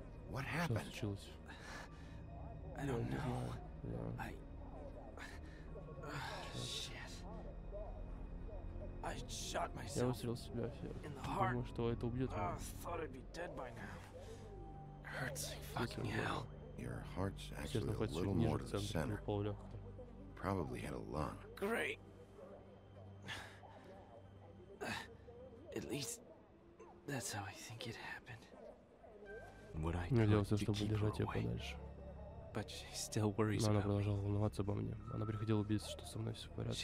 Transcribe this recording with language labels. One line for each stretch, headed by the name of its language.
English: What happened?
Russian: Что случилось?
English: I don't know. Yeah. I. Shit. I shot myself.
Russian: Я выстрелил себя. Думаю, что это убьет меня.
English: I thought I'd be dead by now. Hurts like fucking hell. Your heart's actually a little more to the center. Probably had a lung. Great. At least that's how I think it happened. Would I tell her to keep her away? But she still worries about me.
Russian: Она продолжала волноваться обо мне. Она приходила убедиться, что со мной все в порядке.